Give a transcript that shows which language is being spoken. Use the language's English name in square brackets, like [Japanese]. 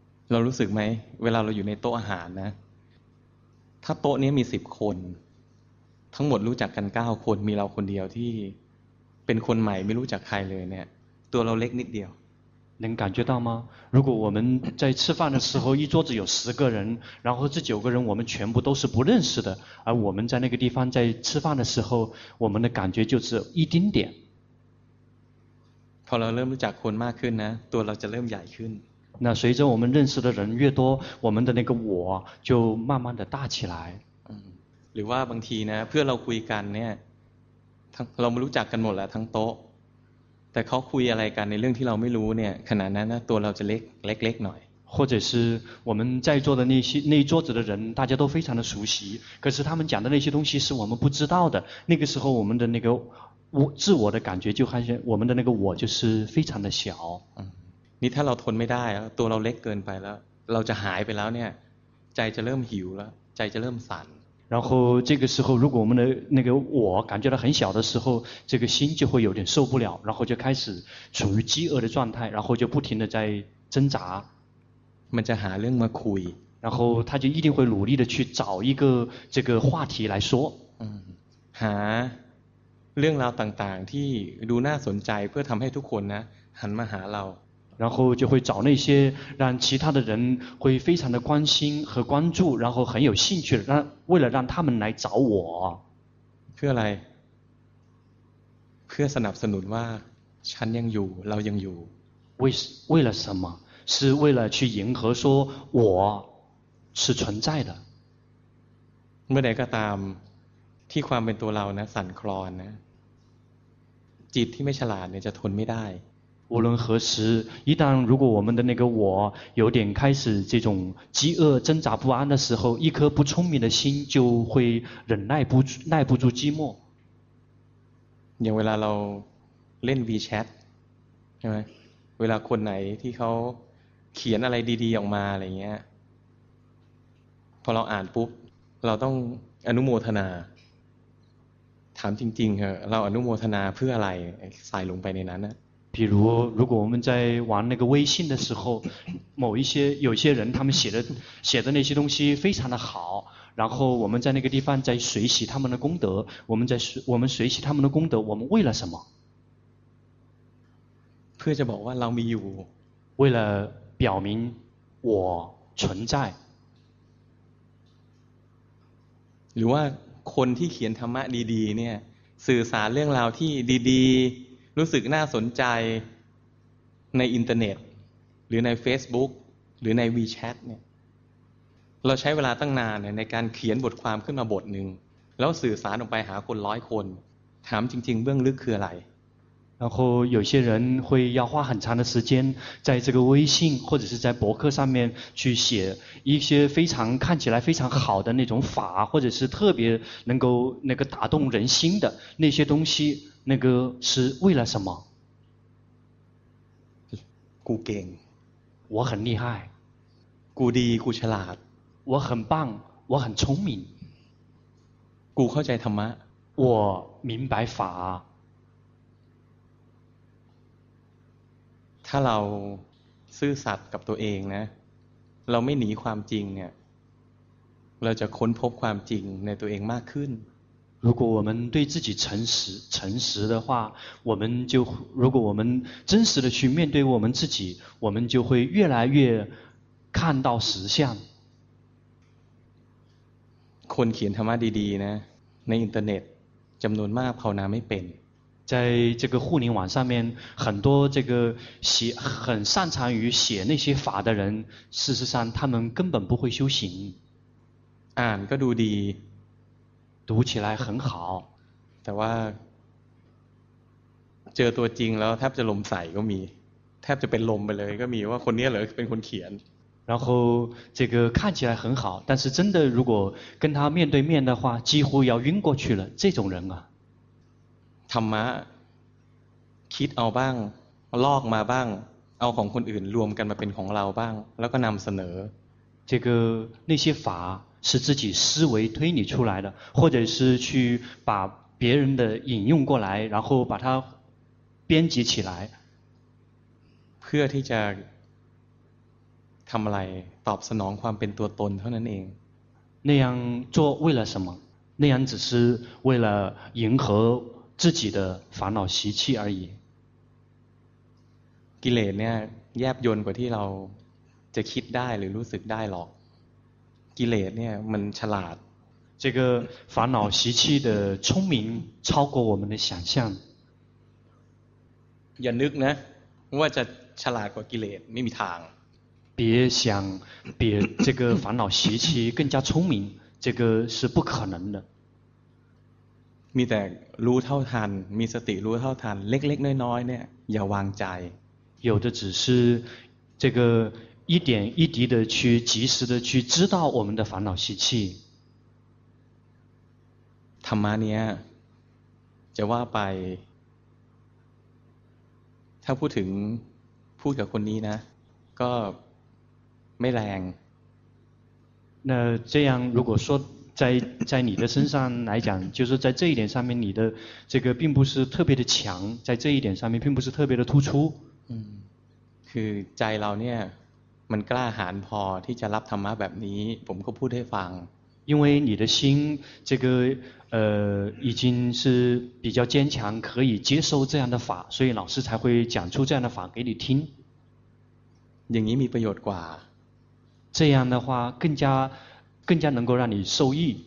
[Thai] เรารู้สึกไหมเวลาเราอยู่ในโต๊ะอาหารนะถ้าโต๊ะนี้มี10คนทั้งหมดรู้จักกัน9คนมีเราคนเดียวที่เป็นคนใหม่ไม่รู้จักใครเลยเนี่ยตัวเราเล็กนิดเดียว [Chinese] 能感觉到吗如果我们在吃饭的时候一桌子有10个人然后这9个人我们全部都是不认识的而我们在那个地方在吃饭的时候我们的感觉就只有一丁点 [Thai] พอเราเริ่มรู้จักคนมากขึ้นนะตัวเราจะเริ่มใหญ่ขึ้น [Chinese] 那随着我们认识的人越多我们的那个我就慢慢的大起来 [Thai] หรือว่าบางทีนะเพื่อเราคุยกันเนี่ยทั้งเราไม่รู้จักกันหมดแล้วทั้งโต๊ะแต่เขาคุยอะไรกันในเรื่องที่เราไม่รู้เนี่ยขณะนั้นนะตัวเราจะเล็กหน่อย [Chinese] 或者是我们在座的那桌子的人大家都非常的熟悉可是他们讲的那些东西是我们不知道的那个时候我们的那个自我的感觉就好像我们的那个我就是非常的小 [Thai] นี่ถ้าเราทนไม่ได้ตัวเราเล็กเกินไปแล้วเราจะหายไปแล้วเนี่ยใจจะเริ่มหิวแล้วใจจะเริ่มสั่น [Chinese] 然后这个时候如果我们的那个我感觉到很小的时候这个心就会有点受不了然后就开始处于饥饿的状态然后就不停的在挣扎 [Thai] มันจะหาเรื่องมาคุย [Chinese] 然后他就一定会努力的去找一个这个话题来说 [Thai] หาเรื่องราวต่างๆที่ดูน่าสนใจเพื่อทำให้ทุกคนนะหันมาหาเรา [Chinese] 然后就会找那些让其他的人会非常的关心和关注然后很有兴趣让为了让他们来找我 [Thai] เพื่ออะไรเพื่อสนับสนุนว่าฉันยังอยู่เรายังอยู่ [Chinese] 为了什么是为了去迎合说我是存在的 [Thai] เมื่อใดก็ตามที่ความเป็นตัวเรานะสั่นคลอนนะจิตที่ไม่ฉลาดเนี่ยจะทนไม่ได้ [Chinese] 无论何时一旦如果我们的那个我有点开始这种饥饿挣扎不安的时候一颗不聪明的心就会忍耐不住耐不住寂寞 [Thai] อย่างเวลาเราเล่น WeChat ใช่ไหมเวลาคนไหนที่เขาเขียนอะไรดีๆออกมาอะไรเงี้ยพอเราอ่านปุ๊บเราต้องอนุโมทนาถามจริงๆครับเราอนุโมทนาเพื่ออะไรใส่ลงไปในนั้นนะ [Chinese] 比如如果我们在玩那个微信的时候某一些有些人他们写的那些东西非常的好然后我们在那个地方在随喜他们的功德我们随喜他们的功德我们为了什么 [Thai] เพื่อจะบอกว่าเรามีอยู่ [Chinese] 为了表明我存在 [Thai] หรือว่าคนที่เขียนธรรมะดีๆเนี่ยสื่อสารเรื่องราวที่ดีๆรู้สึกน่าสนใจในอินเทอร์เน็ตหรือใน Facebook หรือใน WeChat เนี่ยเราใช้เวลาตั้งนานเนี่ยในการเขียนบทความขึ้นมาบทนึงแล้วสื่อสารออกไปหาคน100คนถามจริงๆเบื้องลึกคืออะไร [Chinese] 然后有些人会要花很长的时间在这个微信或者是在博客上面去写一些非常看起来非常好的那种法或者是特别能够那个打动人心的那些东西那个是为了什么 [Thai] กูเก่ง [Chinese] 我很厉害 [Thai] กูดีกูฉลาด [Chinese] 我很棒我很聪明 [Thai] กูเข้าใจธรรมะ [Chinese] 我明白法 [Thai] ถ้าเราซื่อสัตย์กับตัวเองนะเราไม่หนีความจริงเนี่ยเราจะค้นพบความจริงในตัวเองมากขึ้น [Chinese] 如果我们对自己诚实的话我们就如果我们真实的去面对我们自己我们就会越来越看到实相 [Thai] คนเขียนธรรมะดีๆนะในอินเทอร์เน็ตจำนวนมากภาวนาไม่เป็น [Chinese] 在这个互联网上面很多这个写很擅长于写那些法的人事实上他们根本不会修行 [Thai] อ่านก็ดูดี [Chinese] 读起来很好 [Thai] แต่ว่าเจอตัวจริงแล้วแทบจะลมใส่ก็มีแทบจะเป็นลมไปเลยก็มีว่าคนนี้เหรอเป็นคนเขียน [Chinese] 然后这个看起来很好但是真的如果跟他面对面的话几乎要晕过去了这种人啊 [Thai] ธรรมะคิดเอาบ้างลอกมาบ้างเอาของคนอื่นรวมกันมาเป็นของเราบ้างแล้วก็นำเสนอ [Chinese] 这个那些法是自己思维推理出来的或者是去把别人的引用过来然后把它编辑起来 [Thai] เพื่อที่จะทำอะไรตอบสนองความเป็นตัวตนเท่านั้นเอง [Chinese] 那样做为了什么那样只是为了迎合自己的烦恼习气而已 [Thai] กิเลสเนี่ยแยบยลกว่าที่เราจะคิดได้หรือรู้สึกได้หรอกกิเลสเนี่ยมันฉลาด [Chinese] 这个烦恼习气的聪明超过我们的想象 [Thai] อย่านึกนะว่าจะฉลาดกว่ากิเลสไม่มีทาง [Chinese] 别想比这个烦恼习气更加聪明这个是不可能的 [Thai] มีแต่รู้เท่าทันมีสติรู้เท่าทันเล็กๆน้อยๆเนี่ยอย่าวางใจ [Chinese] 有的只是这个一点一滴的去及时的去知道我们的烦恼习气 [Thai] ธรรมะเนี่ยจะว่าไปถ้าพูดถึงพูดกับคนนี้นะก็ไม่แรง [Chinese] 那这样如果说在你的身上来讲就是在这一点上面你的这个并不是特别的强在这一点上面并不是特别的突出 [Thai] คือใจเราเนี่ยมันกล้าหาญพอที่จะรับธรรมะแบบนี้ผมก็พูดให้ฟัง [Chinese] 因为你的心这个已经是比较坚强可以接受这样的法所以老师才会讲出这样的法给你听 [Thai] อย่างนี้มีประโยชน์กว่า [Chinese] 这样的话更加能够让你受益